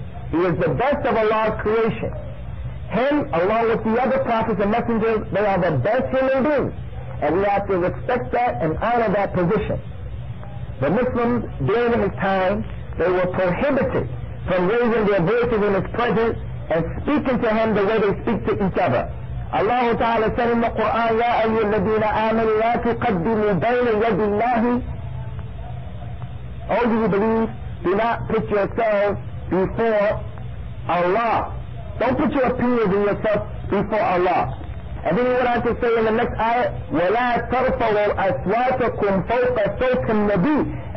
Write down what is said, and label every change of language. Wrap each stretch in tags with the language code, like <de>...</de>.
<en>He is the best of Allah's creation. Him, along with the other prophets and messengers, they are the best human beings. And we have to respect that and honor that position. The Muslims, during his time, they were prohibited from raising their voices in his presence and speaking to him the way they speak to each other. Allah Ta'ala said in the Quran,</en> <ar>يَا أَيُّ الَّذِينَ آمَنُوا لَا تُقَدِّمُوا بَيْنَ يَدِ اللَّهِ.</ar> <en>All you believe, do not put yourself before Allah. Don't put your opinions in yourself before Allah. And then he went on to say in the next ayah,</en> <ar>وَلَا تَرْفَوُوا أَصْوَاتَكُمْ فَوْقَ صَوْتِ النَّبِيِّ.</ar>